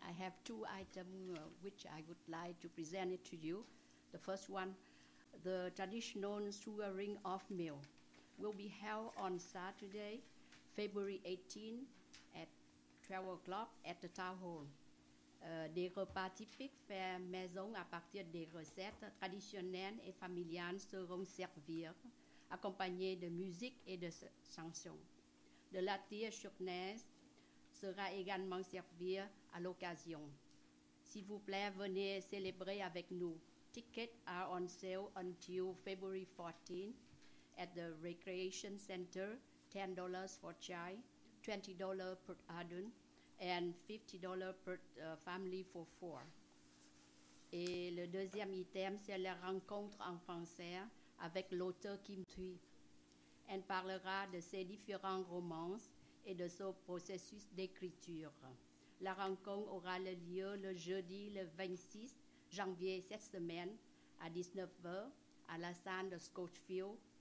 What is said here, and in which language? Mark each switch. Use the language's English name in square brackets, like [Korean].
[English] I have two items which I would like to present it to you. The first one, the traditional sugar ring off meal will be held on Saturday, February 18 at 12 o'clock at the town hall. [French] Des repas typiques faits maison à partir des recettes traditionnelles et familiales seront servis, accompagnés de musique et de chansons. De la tire chouquenaise sera également servie à l'occasion. S'il vous plaît, venez célébrer avec nous. [English] Tickets are on sale until February 14 at the Recreation Center, $10 for child, $20 per adult, and $50 per family for four. [French] Et le deuxième item, c'est la rencontre en français avec l'auteur Kim Thuy. Elle parlera de ses différents romans et de son processus d'écriture. La rencontre aura lieu le jeudi le 26 janvier cette semaine à 19h à la salle de Scotchfield.